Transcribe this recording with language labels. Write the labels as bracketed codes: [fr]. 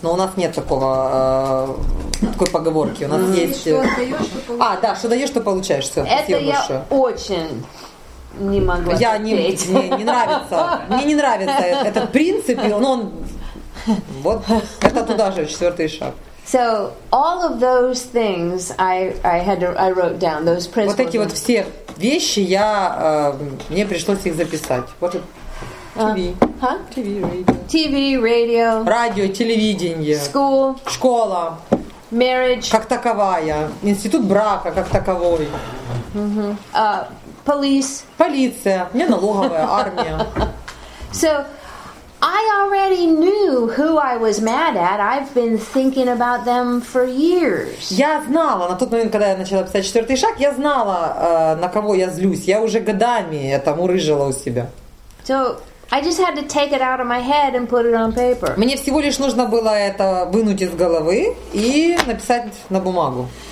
[ru] Но у нас нет такого, такой поговорки. У нас mm-hmm. есть... И что даешь, что получаешь. А, да, что даешь, что получаешь. Все, это я большое. Очень... Не могла я терпеть. Не нравится. Мне не нравится этот принцип, но он вот это туда же, четвертый шаг. [en] So all of those things I wrote down, those principles. [ru] Вот эти вот все вещи я мне пришлось их записать. Вот [en] TV, radio. [ru] Радио, телевидение. [en] School. [ru] Школа. [en] Marriage. [ru] Как таковая. Институт брака как таковой. Полиция, не налоговая, армия. [en] So, I already knew who I was mad at. I've been thinking about them for years. [ru] Я знала, на тот момент, когда я начала писать четвертый шаг, я знала, на кого я злюсь. Я уже годами это мурыжила у себя. [en] So, I just had to take it out of my head and put it on paper. [ru] Мне всего лишь нужно было это вынуть из головы и написать на бумагу.